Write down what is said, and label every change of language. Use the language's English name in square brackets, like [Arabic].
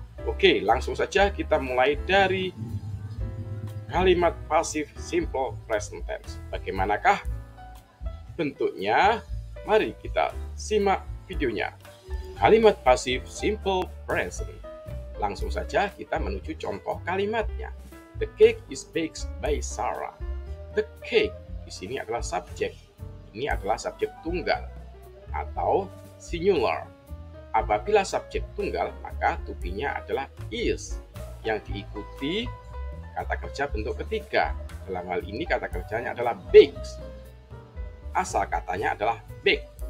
[Indonesian] Oke, langsung saja kita mulai dari kalimat pasif simple present tense. Bagaimanakah bentuknya? Mari kita simak videonya. Kalimat pasif simple present. Langsung saja kita menuju contoh kalimatnya. [English] The cake is baked by Sarah. [Indonesian] The cake di sini adalah subjek. Ini adalah subjek tunggal atau singular. Apabila subjek tunggal, maka to be-nya adalah is yang diikuti kata kerja bentuk ketiga. Dalam hal ini kata kerjanya adalah bakes. Asal katanya adalah bake.